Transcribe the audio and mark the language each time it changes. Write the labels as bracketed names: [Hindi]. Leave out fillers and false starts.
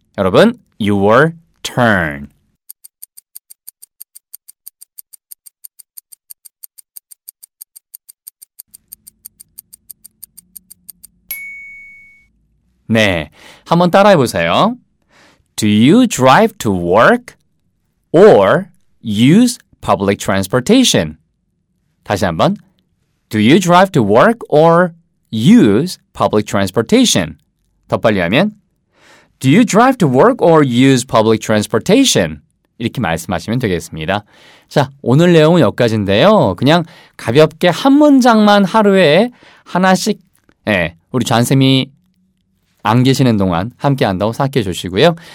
[Korean] 여러분, [English] your turn. [Korean] (목소리) 네, 한번 따라해 보세요. [English] Do you drive to work or use public transportation? [Korean] 다시 한번. [English] Do you drive to work or use public transportation? [Korean] 더 빨리 하면 [English] Do you drive to work or use public transportation? [Korean] 이렇게 말씀하시면 되겠습니다. 자, 오늘 내용은 여기까지인데요. 그냥 가볍게 한 문장만 하루에 하나씩 예, 우리 잔쌤이 안 계시는 동안 함께한다고 생각해 주시고요.